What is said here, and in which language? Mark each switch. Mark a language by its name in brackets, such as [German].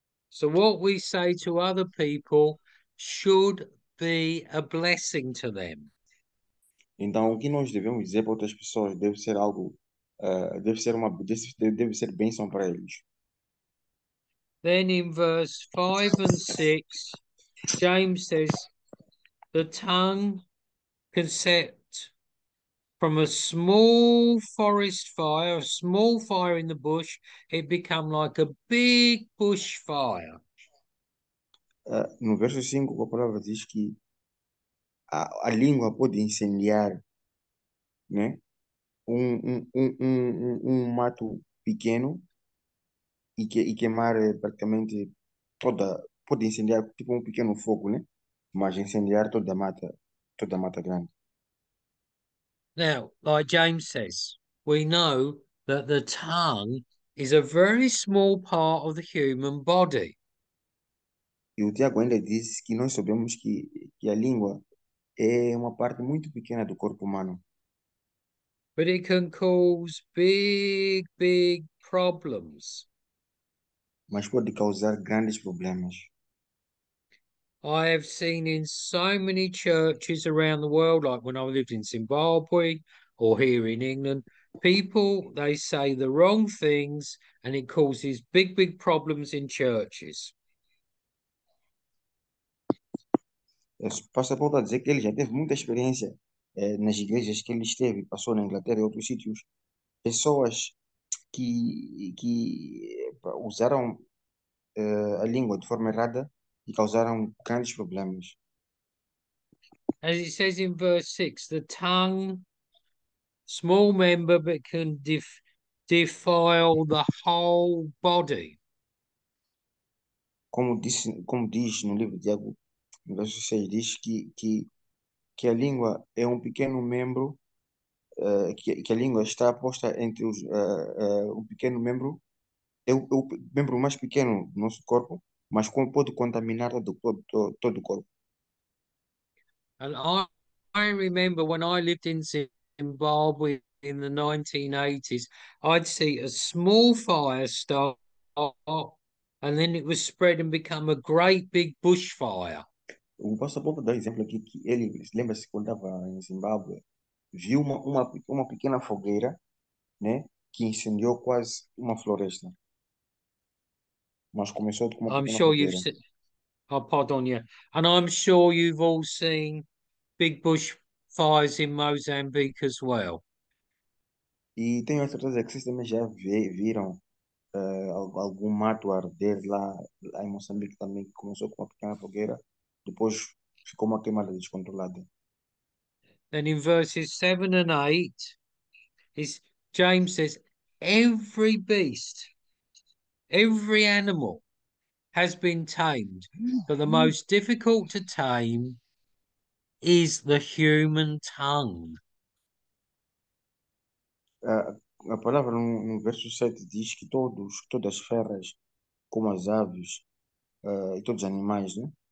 [English] So what we say to other people should be a blessing to them. [Portuguese] Então, o que nós devemos dizer para outras pessoas deve ser algo, deve ser bênção para eles. [English] Then in verse 5 and 6, James says, the tongue can set from a small forest fire, a small fire in the bush, it become like a big bush fire. [Portuguese] No verso 5, a palavra diz que a língua pode incendiar, né? Um mato pequeno e queimar praticamente toda, pode incendiar tipo um pequeno fogo, né? Mas incendiar toda a mata grande. [English] Now, like James says, we know that the tongue is a very small part of the human body. [Portuguese] E o Tiago ainda disse que nós sabemos que a língua é uma parte muito pequena do corpo humano. [English] But it can cause big, big problems. [Portuguese] Mas pode causar grandes problemas. [English] I have seen in so many churches around the world, like when I lived in Zimbabwe or here in England, people they say the wrong things and it causes big, big problems in churches. [Portuguese] Pastor Paulo está a dizer que ele já teve muita experiência nas igrejas que ele esteve, passou na Inglaterra e outros sítios, pessoas que usaram a língua de forma errada e causaram grandes problemas. [English] As it says in verse 6, the tongue, small member, but can defile the whole body. [Portuguese] Como diz no livro de Tiago, no verso 6 diz que a língua é um pequeno membro, que a língua está posta entre os um pequeno membro, é o membro mais pequeno do nosso corpo, mas pode contaminar todo o corpo. [English] And I remember when I lived in Zimbabwe in the 1980s, I'd see a small fire start and then it was spread and become a great big bushfire. [Portuguese] O Pastor Paulo dá exemplo aqui que ele lembra-se quando estava em Zimbábue, viu uma pequena fogueira, né, que incendiou quase uma floresta. Mas começou com uma [English] I'm [Portuguese] pequena [English] sure you've [Portuguese] fogueira. [English] seen. I'll pod on you. And I'm sure you've all seen big bush fires in Mozambique as well. [Portuguese] E tenho a certeza que vocês também já viram algum mato arder lá em Moçambique também, que começou com uma pequena fogueira. Depois ficou uma queimada descontrolada. [English] Then in verses 7 and 8, is James says, every beast, every animal has been tamed, but the most difficult to tame is the human tongue. [Portuguese] A palavra no verso 7 diz que todas as feras, como as aves, e todos os animais, né?